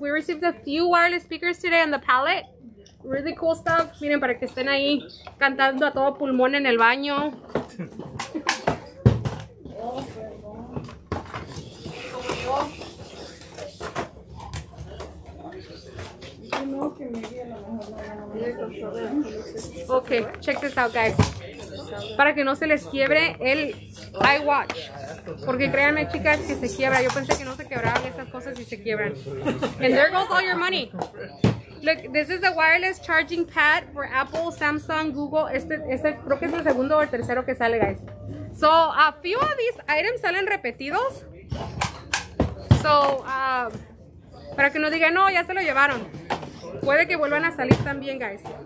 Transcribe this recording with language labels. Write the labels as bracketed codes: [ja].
[en] We received a few wireless speakers today on the pallet. Really cool stuff. [es] Miren, para que estén ahí cantando a todo pulmón en el baño. [en] Okay, check this out, guys. [es] Para que no se les quiebre el iWatch. Porque créanme, chicas, que se quiebra. Yo pensé que no se quebraban esas cosas y se quiebran. [en] And there goes all your money. Look, this is a wireless charging pad for Apple, Samsung, Google. [es] Este creo que es el segundo o el tercero que sale, guys. [en] So, a few of these items [es] salen repetidos. [en] So, [es] Para que no digan, no, ya se lo llevaron. Puede que vuelvan a salir también, guys.